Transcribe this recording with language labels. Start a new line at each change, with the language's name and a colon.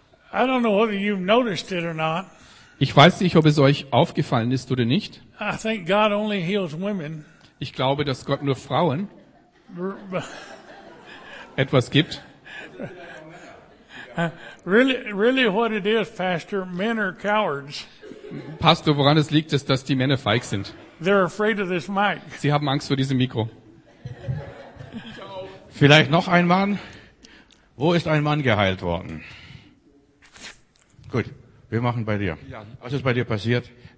English: I don't know whether you've noticed it or not.
German: Ich weiß nicht, ob es euch aufgefallen ist oder nicht.
English: I think God only heals women.
German: Ich glaube, dass Gott nur Frauen etwas gibt.
English: Really, what it is, Pastor, men are cowards.
German: Pastor, woran es liegt, ist, dass die Männer feig sind.
English: They're afraid of this mic.
German: Sie haben Angst vor diesem Mikro. Ich auch. Vielleicht noch ein Mann. Wo ist ein Mann geheilt worden? Gut, wir machen bei dir. Was ist bei dir passiert?